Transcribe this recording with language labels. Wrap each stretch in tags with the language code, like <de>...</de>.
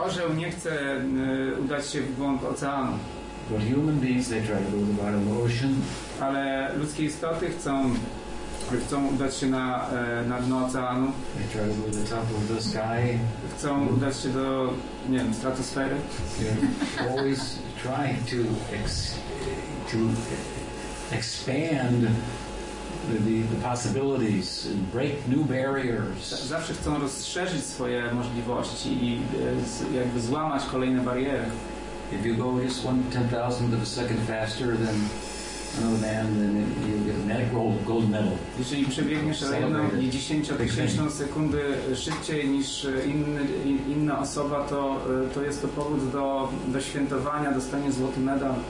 <pl>Orzeł nie chce udać się w głąb oceanu.</pl> <en>But human beings, they try to go to the bottom of the ocean.</en> <pl>Ale ludzkie istoty chcą udać się na dno oceanu.</pl> <en>They try to go to the top of the sky.</en> <pl>Chcą udać się do, nie wiem, stratosfery.</pl> <en>They're always trying to expand the possibilities and break new barriers.</en> <pl>Zawsze chcą rozszerzyć swoje możliwości i jakby złamać kolejne bariery.</pl> <en>If you go just 1/10,000th of a second faster than another man, then you get a medical gold medal.</en> <pl>Jeżeli przebiegniesz o 1/10,000 sekundy szybciej niż inna osoba, to jest to powód do świętowania, dostanie złoty medal.</pl>